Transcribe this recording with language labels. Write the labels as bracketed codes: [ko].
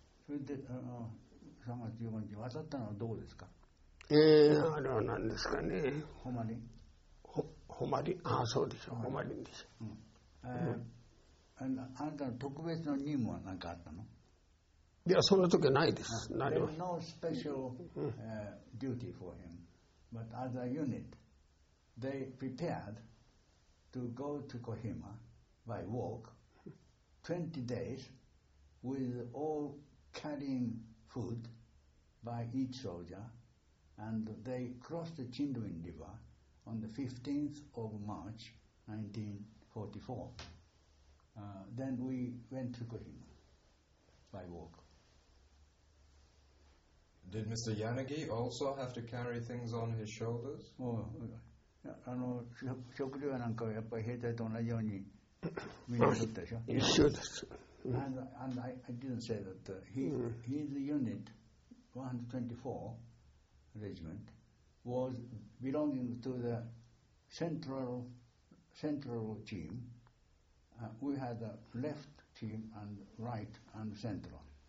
[ja] それで3月15日渡ったのはどうですか？あれは何ですかね、ホマリン。ホマリン、ああそうでしょう、ホマリンでしょ。あなたの特別の任務は何かあったの？いや、そんな時はないです。 [en] There was no special duty for him, but as a unit, they prepared to go to Kohima by walk, 20 days, with all carrying food by each soldier, and they crossed the Chindwin River on the 15th of March, 1944. Then we went to Kohima by walk. Did Mr. Yanagi also have to carry things on his shoulders? [ja] あの食料なんかはやっぱり兵隊と同じようにみんな取ったでしょ。一緒です。 [en] And I didn't say that his unit 124 regiment was belonging to the central team. We had a left team and right and central.